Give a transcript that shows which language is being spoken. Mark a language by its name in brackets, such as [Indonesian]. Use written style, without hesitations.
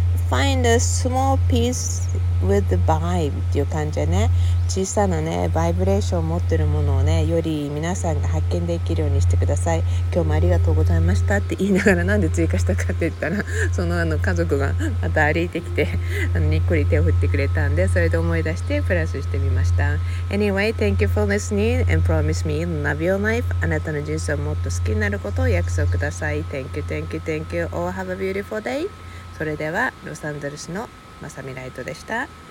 [English] Find a small piece with the vibe [Japanese] っていう感じでね、小さなね、バイブレーションを持ってるものをね、より皆さんが発見できるようにしてください。今日もありがとうございましたって言いながら、なんで追加したかって言ったら、その家族がまた歩いてきて、にっこり手を振ってくれたんで、それで思い出してプラスしてみました。 [English] Anyway, thank you for listening and promise me love your life. [Japanese] あなたの人生をもっと好きになることを約束ください。 [English] Thank you, thank you, thank you. Oh, have a beautiful day. [Japanese] それではロサンゼルスのマサミライトでした。